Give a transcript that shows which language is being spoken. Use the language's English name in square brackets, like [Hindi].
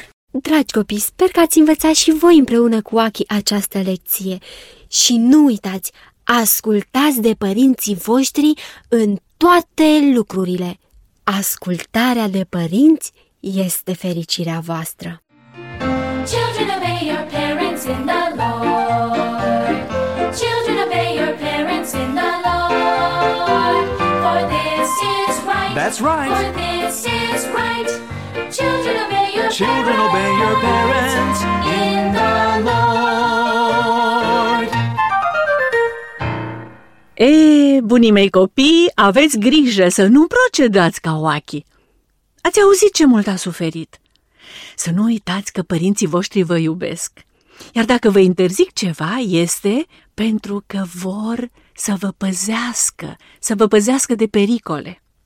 [Romanian] Dragi copii, sper că ați învățat și voi împreună cu Wacky această lecție. Și nu uitați, ascultați de părinții voștri în toate lucrurile. Ascultarea de părinți este fericirea voastră. [English] Children, obey your parents in the Lord. Children, obey your parents in the Lord. For this is right. That's right. For this is right. Children, obey your parents. Children, obey your parents in the Lord. [Romanian] Ei, bunii mei copii, aveți grijă să nu procedați ca Wacky. Ați auzit ce mult a suferit. Să nu uitați că părinții voștri vă iubesc. Iar dacă vă interzic ceva, este pentru că vor să vă păzească, să vă păzească de pericole.